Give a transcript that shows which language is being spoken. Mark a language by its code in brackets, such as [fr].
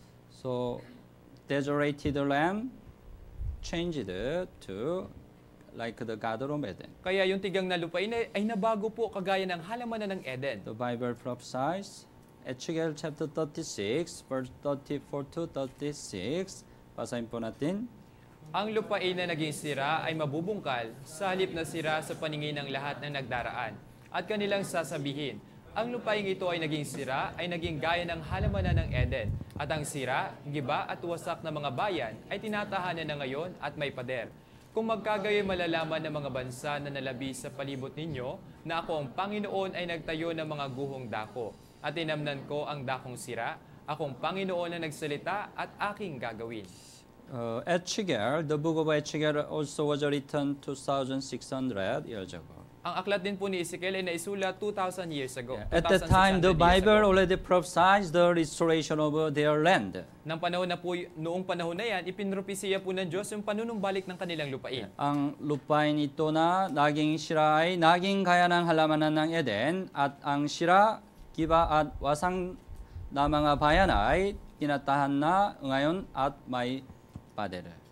[en] So, desolated land changed to like the Garden of Eden. [tl] Kaya yung tigang na lupain ay nabago po kagaya ng halamanan ng Eden. [en] The Bible prophesies, Ezekiel chapter 36, verse 34 to 36, [tl] basahin po natin. Ang lupain na naging sira ay mabubungkal sa halip na sira sa paningin ng lahat ng nagdaraan. At kanilang sasabihin, ang lupain ito ay naging sira ay naging gaya ng halamanan ng Eden. At ang sira, giba at wasak na mga bayan ay tinatahanan na ngayon at may pader. Kung magkagayon malalaman ng mga bansa na nalabi sa palibot ninyo na ako ang Panginoon ay nagtayo ng mga guhong dako at inamnan ko ang dakong sira, akong Panginoon na nagsalita at aking gagawin. [en] Ezekiel, the book of Ezekiel also was written 2,600 years ago. [tl] Ang aklat din po ni Ezekiel ay naisulat [en] 2,000 years ago. [tl] Yeah. [en] At the time, the Bible already prophesied the restoration of their land. [tl] Nang panahon na po, noong panahon na yan, ipinropesiya po ng Diyos yung panunumbalik ng kanilang lupain. Yeah. Ang lupain ito na naging sira ay naging gaya ng halamanan ng Eden at ang sira, giba at wasang na mga bayan ay tinatahan na ngayon at may pader.